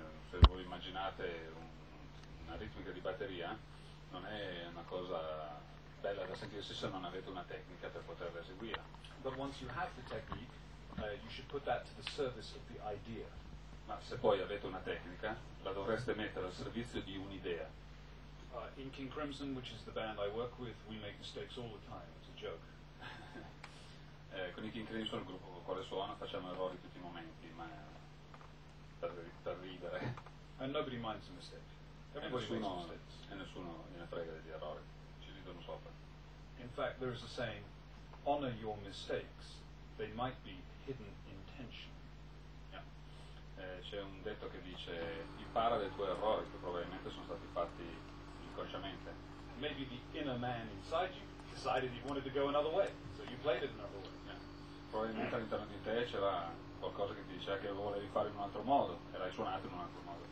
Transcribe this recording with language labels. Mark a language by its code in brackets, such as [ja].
[it] Se voi immaginate una ritmica di batteria, non è una cosa bella da sentirsi se non avete una tecnica per poterla eseguire. [en] But once you have the technique, you should put that to the service of the idea. [it] Ma se poi avete una tecnica, la dovreste mettere al servizio di un'idea. [en] In King Crimson, which is the band I work with, we make mistakes all the time. It's a joke. [it] Con i King Crimson, il gruppo con il quale suono, facciamo errori tutti i momenti, ma per ridere. [en] And nobody minds a mistake. [it] E nessuno gliene frega degli errori. Ci ridono sopra. [en] In fact, there is a saying, honor your mistakes. They might be hidden intention. Yeah. [it] C'è un detto che dice, impara dai tuoi errori che probabilmente sono stati fatti inconsciamente. [en] Maybe the inner man inside you decided he wanted to go another way, so you played it another way. Yeah. [it] Probabilmente all'interno di te c'era qualcosa che ti diceva che lo volevi fare in un altro modo, e l'hai suonato in un altro modo.